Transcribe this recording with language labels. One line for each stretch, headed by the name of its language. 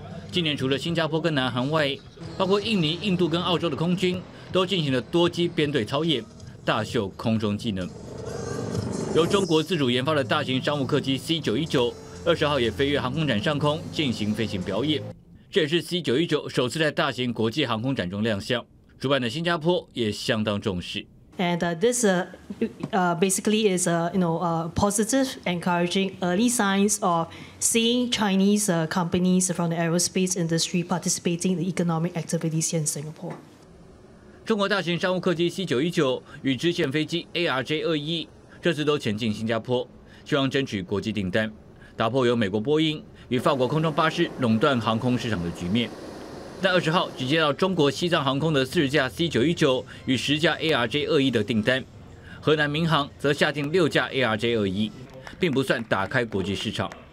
Chinese: 今年除了新加坡跟南韩外，包括印尼、印度跟澳洲的空军都进行了多机编队操演，大秀空中技能。由中国自主研发的大型商务客机 C919 二十号也飞越航空展上空进行飞行表演。这也是 C919 首次在大型国际航空展中亮相，主办的新加坡也相当重视。
English: And this basically is a positive, encouraging early signs of seeing Chinese companies from the aerospace industry participating in the economic activities here in Singapore.
Chinese: 中国大型商务客机 C919 与支线飞机 ARJ21 这次都前进新加坡，希望争取国际订单，打破由美国波音与法国空中巴士垄断航空市场的局面。但二十号只接到中国西藏航空的40架 C919 与10架 ARJ21 的订单，河南民航则下定6架 ARJ21，并不算打开国际市场。